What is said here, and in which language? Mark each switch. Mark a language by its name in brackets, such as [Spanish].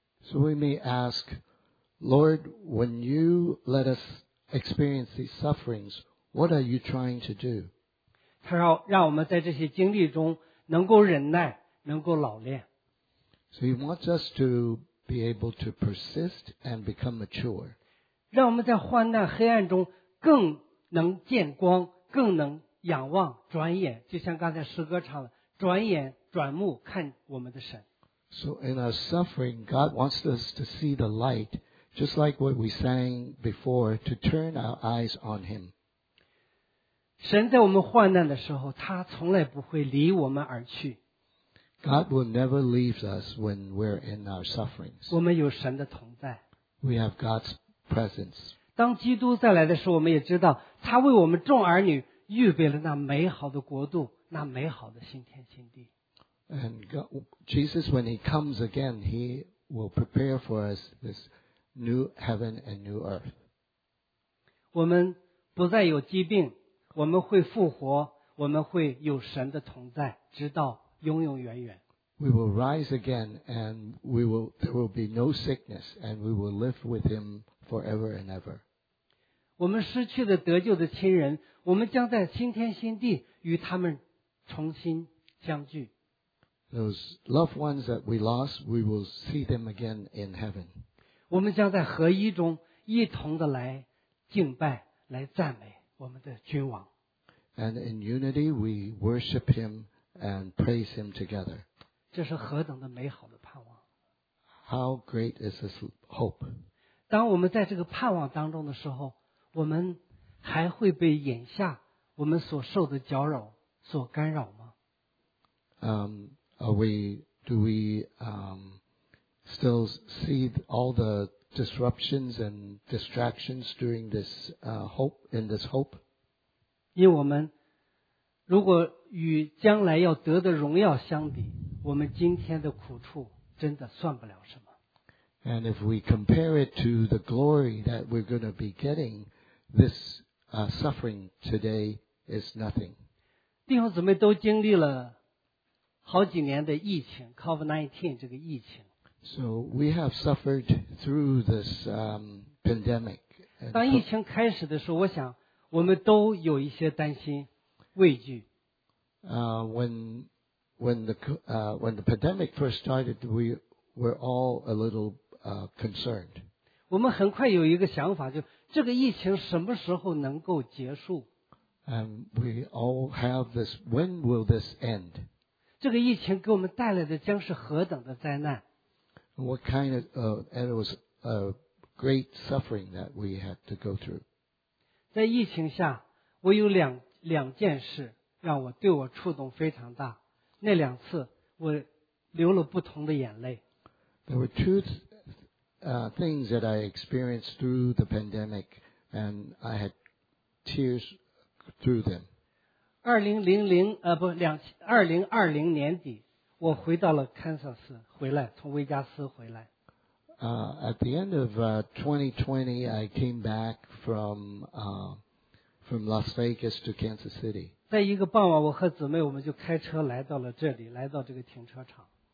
[English] So we may ask, Lord, when you let us experience these sufferings, what are you trying to do? [Chinese] 他让我们在这些经历中能够忍耐，能够老练。 [English] So he wants us to be able to persist and become mature. [Chinese] 让我们在患难黑暗中更能见光，更能仰望，转眼，就像刚才诗歌唱的，转眼转目看我们的神。 [English] So in our suffering, God wants us to see the light, just like what we sang before, to turn our eyes on Him. [Chinese] 神在我们患难的时候，他从来不会离我们而去。 [English] God will never leave us when we're in our sufferings. [Chinese] 我们有神的同在。 [English] We have God's presence. [Chinese] 当基督再来的时候，我们也知道他为我们众儿女预备了那美好的国度，那美好的新天新地。 [English] And Jesus, when he comes again, he will prepare for us this new heaven and new earth. [Chinese] 我们不再有疾病，我们会复活，我们会有神的同在，直到永永远远。 [English] We will rise again, and there will be no sickness, and we will live with him forever and ever. [Chinese] 我们失去的得救的亲人，我们将在新天新地与他们重新相聚。 [English] Those loved ones that we lost, we will see them again in heaven. [Chinese] 我们将在合一中一同的来敬拜，来赞美我们的君王。 [English] And in unity, we worship him and praise him together. [Chinese] 这是何等的美好的盼望。 [English] How great is this hope? [Chinese] 当我们在这个盼望当中的时候，我们还会被眼下我们所受的搅扰所干扰吗？ [English] Do we still see all the disruptions and distractions during this hope, in this hope? [Chinese] 因为我们如果与将来要得的荣耀相比，我们今天的苦处真的算不了什么。 [English] And if we compare it to the glory that we're going to be getting, this suffering today is nothing. [Chinese] 弟兄姊妹都经历了好几年的疫情 COVID-19 这个疫情。 [English] So we have suffered through this pandemic. [Chinese] 当疫情开始的时候，我想我们都有一些担心畏惧。 [English] When the pandemic first started, we were all a little concerned. [Chinese] 我们很快有一个想法，就这个疫情什么时候能够结束。 [English] And we all have this, when will this end? [Chinese] 这个疫情给我们带来的将是何等的灾难。 [English] What kind of, and it was a great suffering that we had to go through. [Chinese] 在疫情下，我有两件事让我对我触动非常大。那两次我流了不同的眼泪。 [English] There were two things that I experienced through the pandemic, and I had tears through them. [Chinese] 2020年底，我回到了堪萨斯，回来从维加斯回来。 [English] At the end of 2020, I came back from Las Vegas to Kansas City. [Chinese] 在一个傍晚，我和姊妹我们就开车来到了这里，来到这个停车场。